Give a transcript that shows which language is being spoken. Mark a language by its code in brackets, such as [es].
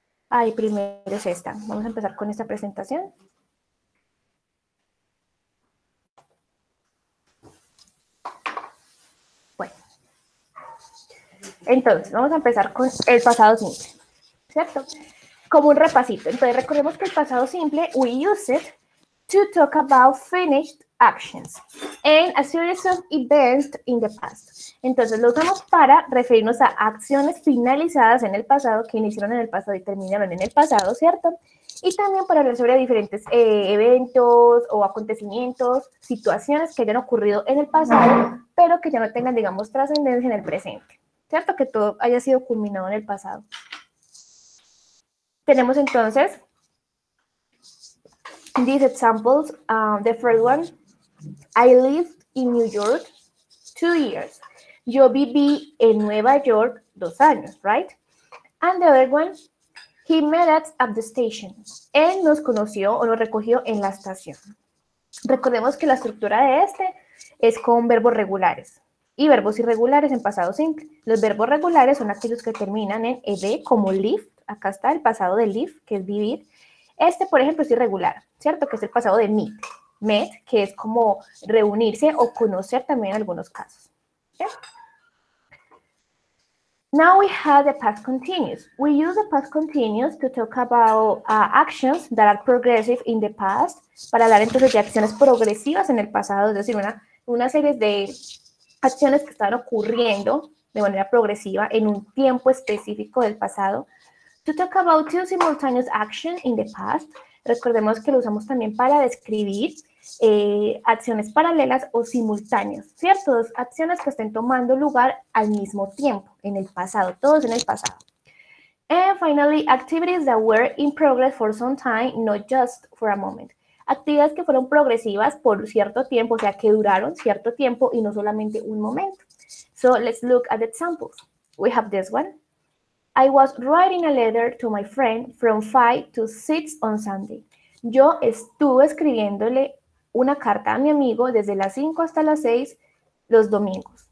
[es] Ahí primero es esta. Vamos a empezar con esta presentación. Entonces, vamos a empezar con el pasado simple, ¿cierto? Como un repasito. Entonces, recordemos que el pasado simple, [en] we use it to talk about finished actions and a series of events in the past. [es] Entonces, lo usamos para referirnos a acciones finalizadas en el pasado, que iniciaron en el pasado y terminaron en el pasado, ¿cierto? Y también para hablar sobre diferentes eventos o acontecimientos, situaciones que hayan ocurrido en el pasado, pero que ya no tengan, digamos, trascendencia en el presente. ¿Cierto? Que todo haya sido culminado en el pasado. Tenemos entonces [en] these examples. The first one, I lived in New York 2 years. [es] Yo viví en Nueva York 2 años, [en] right? And the other one, he met us at the station. [es] Él nos conoció o nos recogió en la estación. Recordemos que la estructura de este es con verbos regulares. Y verbos irregulares en pasado simple. Los verbos regulares son aquellos que terminan en ed, como live. Acá está el pasado de live, que es vivir. Este, por ejemplo, es irregular, ¿cierto? Que es el pasado de meet. Met, que es como reunirse o conocer también en algunos casos. [en] ¿Sí? Now we have the past continuous. We use the past continuous to talk about actions that are progressive in the past. [es] Para hablar entonces de acciones progresivas en el pasado. Es decir, una serie de acciones que están ocurriendo de manera progresiva en un tiempo específico del pasado. [en] To talk about two simultaneous actions in the past. [es] Recordemos que lo usamos también para describir acciones paralelas o simultáneas, ¿cierto? Dos acciones que estén tomando lugar al mismo tiempo, en el pasado, todos en el pasado. [en] And finally, activities that were in progress for some time, not just for a moment. [es] Actividades que fueron progresivas por cierto tiempo, o sea, que duraron cierto tiempo y no solamente un momento. [en] So, let's look at the examples. We have this one. I was writing a letter to my friend from 5 to 6 on Sunday. [es] Yo estuve escribiéndole una carta a mi amigo desde las 5 hasta las 6 los domingos.